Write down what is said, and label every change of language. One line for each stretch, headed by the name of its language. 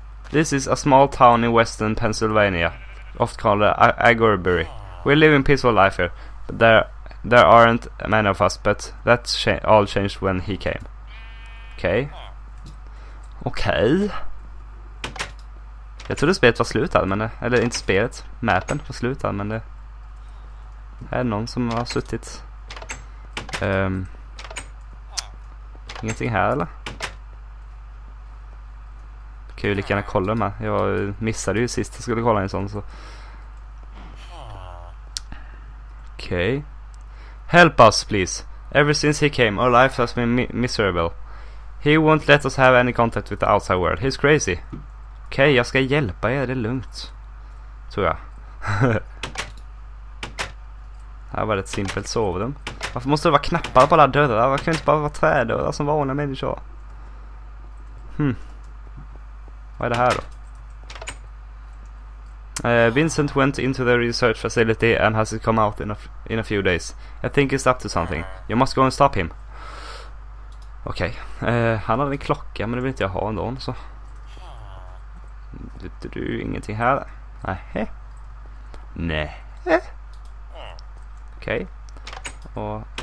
English: This is a small town in western Pennsylvania. Oft called Agorbury. We live in peaceful life here. But there aren't many of us, but that's all changed when he came. Okej. Okay. Okej. Okay.
Swedish: Jag trodde spelet var slutad, men det, eller inte spelet, mapen var slutad, men det här är någon som har suttit. Ingenting här eller? Kan ju lika gärna kolla med. Jag missade ju sist jag skulle kolla en sån så.
English: Okay. Help us, please. Ever since he came, our life has been miserable. He won't let us have any contact with the outside world. He's crazy.
Swedish: Okay, jag ska hjälpa er. Det är lugnt. Tror jag. Här var det ett simpelt sovrum. Varför måste det vara knappar på alla dörrar? Varför kan det inte bara vara trädörrar som vanliga människor? Vad är det här då?
English: Vincent went into the research facility and has it come out in a few days. I think he's up to something. You must go and stop him. Okej.
Swedish: Han hade en klocka, men det vill inte jag ha ändå. Så. Du ingenting här? Nej. Okej. Och.